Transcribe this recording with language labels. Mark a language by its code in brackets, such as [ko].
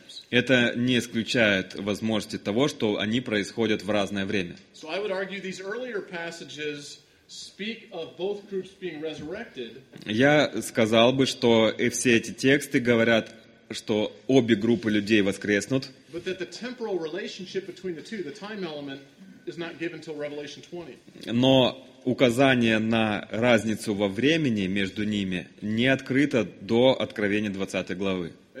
[ru] Это не исключает возможности того, что они происходят в разное время. [en] So I would argue these earlier passages speak of both groups being resurrected. [ru] Я сказал бы, что и все эти тексты говорят, что обе группы людей воскреснут. [en] But that the temporal relationship between the two, the time element, is not given until Revelation 20. [ru] Но указание на разницу во времени между ними не открыто до Откровения 20 главы.